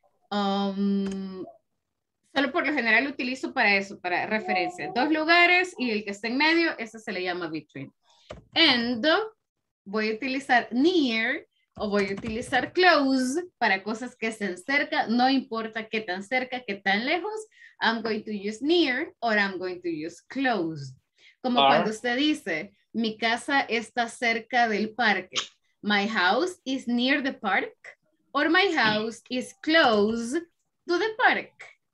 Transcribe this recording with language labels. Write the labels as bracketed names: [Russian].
[Spanish] Solo por lo general lo utilizo para eso, para referencia. Dos lugares y el que está en medio, ese se le llama between. And voy a utilizar near o voy a utilizar close para cosas que estén cerca. No importa qué tan cerca, qué tan lejos. [English] I'm going to use near or I'm going to use close. [Spanish] Como cuando usted dice, mi casa está cerca del parque. [English] My house is near the park or my house is close to the park.